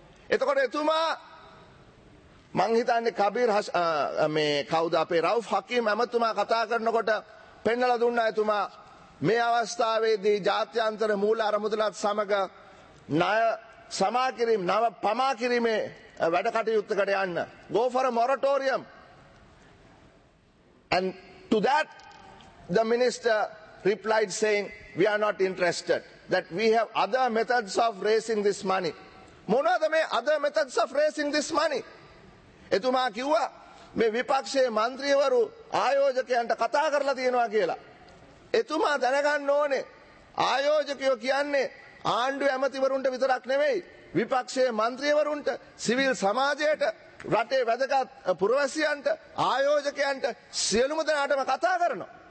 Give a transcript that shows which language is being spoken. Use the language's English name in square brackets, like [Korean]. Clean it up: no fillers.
[Sinhala] එතකොට එතුමා මං හිතන්නේ කබීර් මේ කවුද අපේ රවුෆ් හකීම් ඇමතිතුමා කතා කරනකොට පෙන්වලා දුන්නා එතුමා මේ අවස්ථාවේදී ජාත්‍යන්තර මූල අරමුදලත් සමග ණය සමාකිරීම නව පමා කිරීමේ වැඩ කටයුත්තකට යන්න. [English] Go for a moratorium. And to that, the minister replied saying, we are not interested, that we have other methods of raising this money. [Sinhala] මොනවාද මේ [English] other methods of raising this money? [Sinhala] එතුමා කිව්වා මේ විපක්ෂයේ මන්ත්‍රීවරු ආයෝජකයන්ට කතා කරලා තියෙනවා කියලා. එතුමා දැනගන්න ඕනේ ආයෝජකයෝ කියන්නේ ආණ්ඩු ඇමතිවරුන්ට විතරක් නෙවෙයි, විපක්ෂයේ මන්ත්‍රීවරුන්ට, සිවිල් සමාජයට, රටේ වැදගත් පුරවැසියන්ට, ආයෝජකයන්ට, සියලුම දෙනාටම කතා කරනවා.